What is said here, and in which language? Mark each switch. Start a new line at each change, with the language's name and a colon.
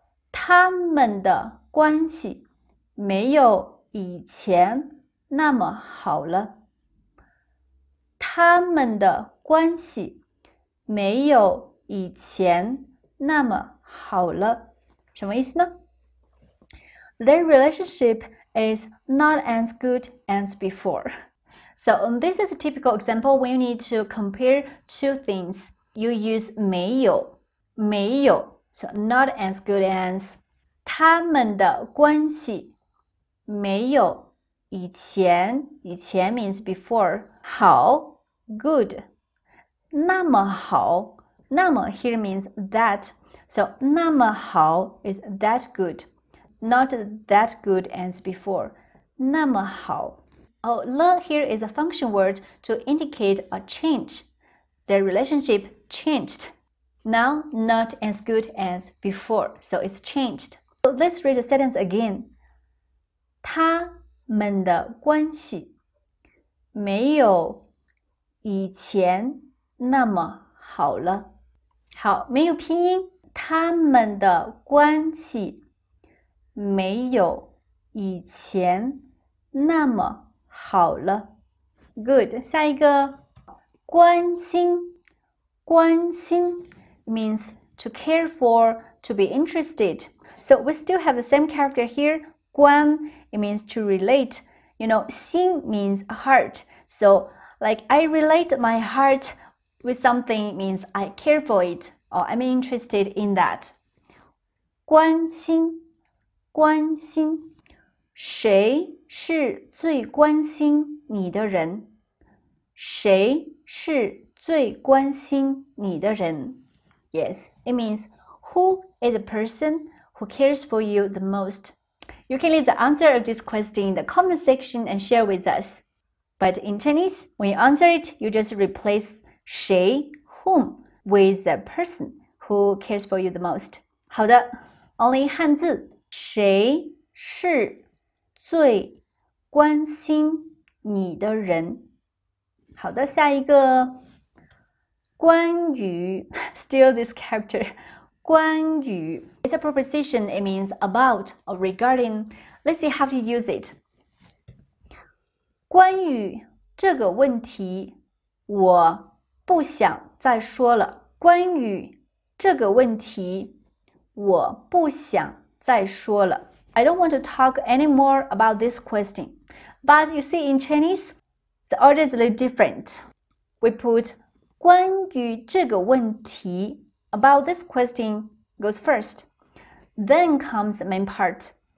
Chinese: 他们的关系没有以前那么好了。他们的关系没有以前那么好了。什么意思呢？
English: Their relationship is not as good as before. So this is a typical example when you need to compare two things. You use 没有, 没有, so not as good as.
Chinese: 他们的关系没有以前，
English: 以前 means before, 好 good, 那么好，那么 here means that, so 那么好 is that good, not that good as before, 那么好。 Oh, 了 here is a function word to indicate a change, their relationship changed, now not as good as before, so it's changed. So let's read the sentence again.
Chinese: 他们的关系没有以前那么好了。好，没有拼音。他们的关系没有以前那么好了。
English: Good.
Chinese: 下一个，
English: 关心，关心 means to care for, to be interested. So we still have the same character here. 关, it means to relate. You know, 心 means heart. So, like, I relate my heart with something means I care for it or I'm interested in that.
Chinese: 关心, 关心, 谁是最关心你的人? 谁是最关心你的人?
English: Yes, it means who is the person who cares for you the most? You can leave the answer of this question in the comment section and share with us. But in Chinese, when you answer it, you just replace 谁, whom, with the person who cares for you the most.
Chinese: 好的,
English: only
Chinese: 汉字。谁是最关心你的人? 好的,下一个。关于,
English: still this character. 关于 It's a proposition. It means about or regarding. Let's see how to use it.
Chinese: 关于这个问题，我不想再说了。关于这个问题，我不想再说了。
English: I don't want to talk anymore about this question. But you see, in Chinese, the order is a little different. We put
Chinese: 关于这个问题。
English: About this question goes first. Then comes the main part.